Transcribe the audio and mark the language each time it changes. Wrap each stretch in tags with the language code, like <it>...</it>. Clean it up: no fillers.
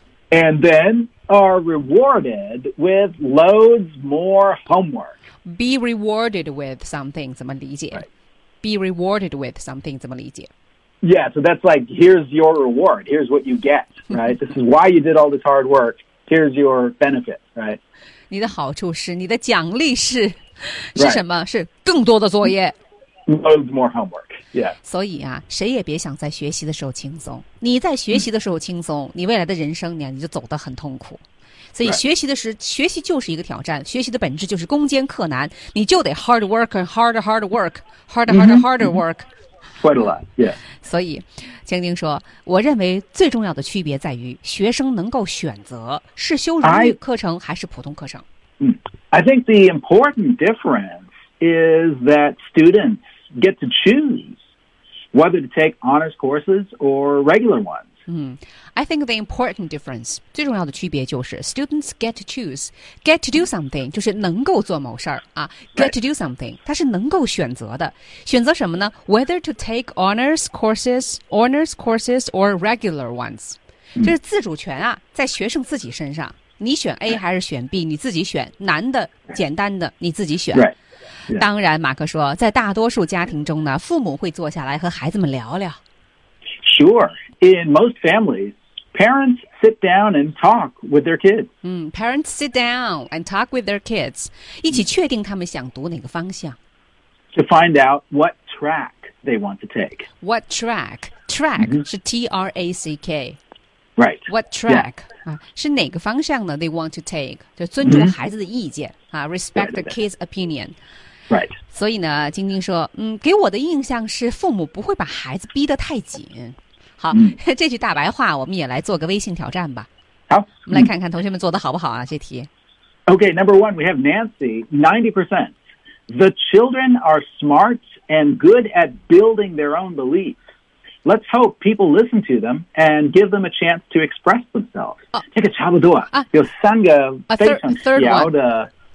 <en>And then are rewarded with loads more homework. Be rewarded with something,</en> <zh>怎么理解、</zh> <en>right. Be rewarded with something,</en> <zh>怎么理解</zh> <en>Yeah, so that's like, here's your reward, here's what you get, right? This is why you did all this hard work, here's your benefit, right?</en> <zh>你的好处是,你的奖励是,、</zh> <en>right.</en> <zh>是什么?是更多的作业。</zh> <en>Loads more homework, yeah.</en> <zh>所以啊,谁也别想在学习的时候轻松。你在学习的时候轻松,你未来的人生呢,你就走得很痛苦。所以学习的是、</zh> <en>right.</en> <zh>学习就是一个挑战，学习的本质就是攻坚克难，你就得</zh> <en>hard work and hard hard work</en> <zh>hard hard hard work</zh> <en>quite a lot yeah</en> <zh>所以江丁说，我认为最重要的区别在于学生能够选择是修荣誉课程还是普通课程。</zh> <en>I think the important difference is that students get to choose whether to take honors courses or regular ones I think the important difference,</en> <zh>最重要的区别就是</zh> <en>students get to choose, get to do something,</en> <zh>就是能够做某事儿啊</zh> <en>get to do something,</en> <zh>它是能够选择的。选择什么呢</zh> <en>?whether to take honors courses or regular ones.</en> <zh>这是自主权啊在学生自己身上。你选 A 还是选 B, 你自己选难的简单的你自己选。</zh> <en>Right. Yeah.</en> <zh>当然马克说在大多数家庭中呢父母会坐下来和孩子们聊聊。</zh> <en>Sure.In most families, parents sit down and talk with their kids. Parents sit down and talk with their kids.</en> <zh>一起确定他们想读哪个方向。</zh> <en>To find out what track they want to take. What track? Track、mm-hmm. 是 T-R-A-C-K. Right. What track?、Yeah.</en> <zh>是哪个方向呢</zh> <en>they want to take</en> <zh>就尊重孩子的意见、</zh> <en>mm-hmm. 啊、respect the kids opinion right</en> <zh>所以呢晶晶说嗯，给我的印象是父母不会把孩子逼得太紧好、mm-hmm. 这句大白话我们也来做个微信挑战吧好我们来看看同学们做得好不好啊这题</zh> <en>OK number one we have Nancy 90% The children are smart and good at building their own beliefsLet's hope people listen to them and give them a chance to express themselves.、Oh,</en> <zh>这个差不多、</zh> <en>啊、</en> <zh>有三个非常小的</zh>